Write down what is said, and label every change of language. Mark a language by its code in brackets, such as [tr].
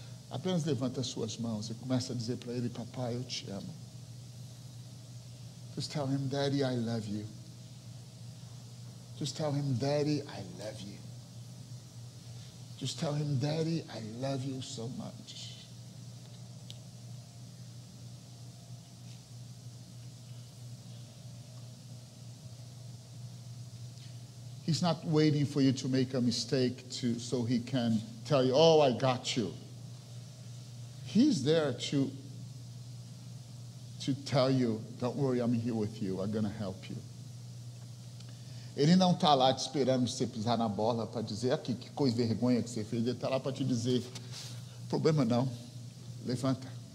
[pt] Apenas levanta as suas mãos e começa a dizer para ele, papai, eu te amo. [en] Just tell him, daddy, I love you. Just tell him, daddy, I love you. Just tell him, Daddy, I love you so much. He's not waiting for you to make a mistake to so he can tell you, oh, I got you. He's there to tell you, don't worry, I'm here with you. I'm going to help you. [pt] Ele não está lá te esperando você pisar na bola para dizer, aqui, que coisa de vergonha que você fez. Ele está lá para te dizer, problema não, levanta.